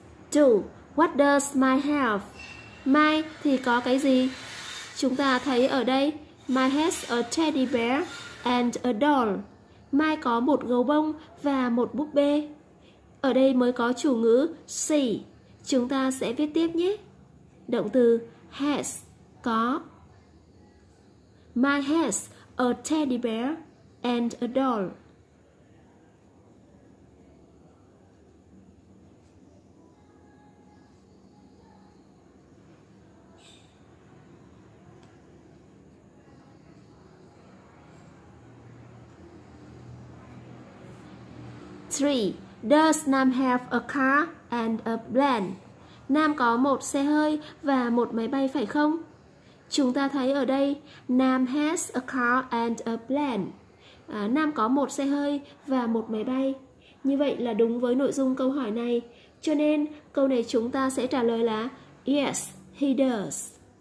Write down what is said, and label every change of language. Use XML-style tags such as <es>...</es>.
<en>Two. What does Mai have?</en> <vi>Mai thì có cái gì? Chúng ta thấy ở đây</vi> <en>Mai has a teddy bear and a doll.</en> <vi>Mai có một gấu bông và một búp bê. Ở đây mới có chủ ngữ she. Chúng ta sẽ viết tiếp nhé. Động từ has có.</vi> <en>Mai has a teddy bear and a doll. Three. Does Nam have a car and a plane?</en> <vi>Nam có một xe hơi và một máy bay phải không? Chúng ta thấy ở đây</vi> <en>Nam has a car and a plane.</en> <vi>Nam có một xe hơi và một máy bay. Như vậy là đúng với nội dung câu hỏi này. Cho nên câu này chúng ta sẽ trả lời là</vi> <en>Yes, he does.</en>